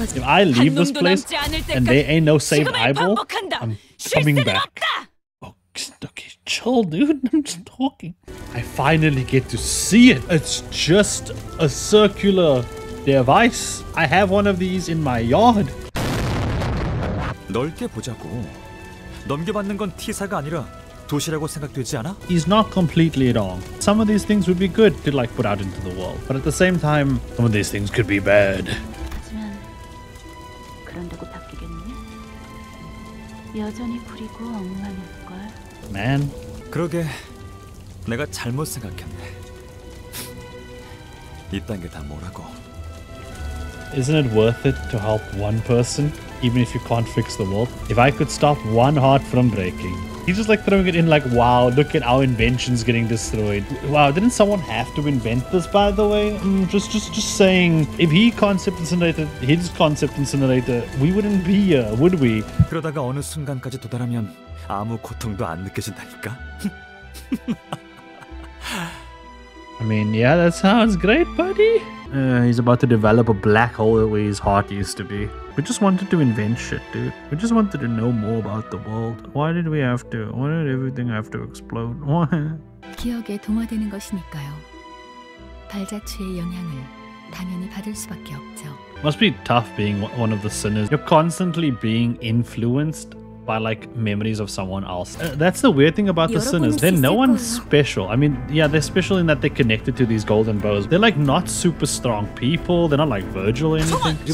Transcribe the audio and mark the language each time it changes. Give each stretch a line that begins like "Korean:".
English: If I leave this place and there ain't no same eyeball, I'm coming back. Okay, chill, dude. I'm just talking. I finally get to see it. It's just a circular device. I have one of these in my yard.
Korean: 넓게 보자고. 넘겨받는 건 T사가 아니라 도시라고 생각되지 않아?
English: He's not completely wrong. Some of these things would be good to like put out into the world. But at the same time, some of these things could be bad.
Korean: 하지만 그런다고 바뀌겠니? 여전히 부리고 엉망일걸?
English: Man.
Korean: 그러게. 내가 잘못 생각했네. 이딴 게 다 뭐라고.
English: Isn't it worth it to help one person? Even if you can't fix the world. If I could stop one heart from breaking. He's just like throwing it in like, wow, look at our inventions getting destroyed. Wow, didn't someone have to invent this, by the way? I'm just saying, if he concept incinerated his concept incinerator, we wouldn't be here, would we?
Korean: 그러다가 어느 순간까지 도달하면 아무 고통도 안 느껴진다니까?
English: I mean, yeah, that sounds great, buddy. He's about to develop a black hole where his heart used to be. We just wanted to invent shit, dude. We just wanted to know more about the world. Why did we have to? Why did everything have to explode? Why?
Korean: 기억에 동화되는 것이니까요. 발자취의 영향을 당연히 받을 수밖에 없죠.
English: Must be tough being one of the sinners. You're constantly being influenced by like memories of someone else. That's the weird thing about the sinners. They're no one special. I mean, yeah, they're special in that they're connected to these golden bows. They're like not super strong people. They're not like Virgil or anything.